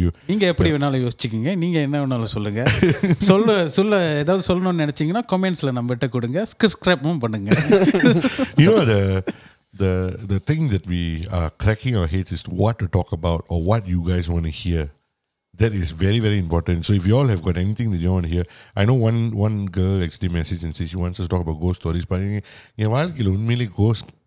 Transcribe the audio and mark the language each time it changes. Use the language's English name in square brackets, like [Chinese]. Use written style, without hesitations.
[Tamil] நீங்க எப்படி வேணாலும் யோசிச்சுக்கீங்க, நீங்க என்ன வேணாலும் சொல்லுங்க, சொல்ல சொல்ல ஏதாவது சொல்லணும்னு நினைச்சீங்கன்னா கமெண்ட்ஸ்ல நம்ம கிட்ட கொடுங்க, சப்ஸ்கிரைபும் பண்ணுங்க. [English] You know, the thing that we are cracking our heads is what to talk about or what you guys want to hear. That is very, very important. So if you all have got anything that you want to hear, I know one girl actually messaged and said she wants us to talk about ghost stories. [Tamil] But என் வாழ்க்கையில் உண்மையிலே ghost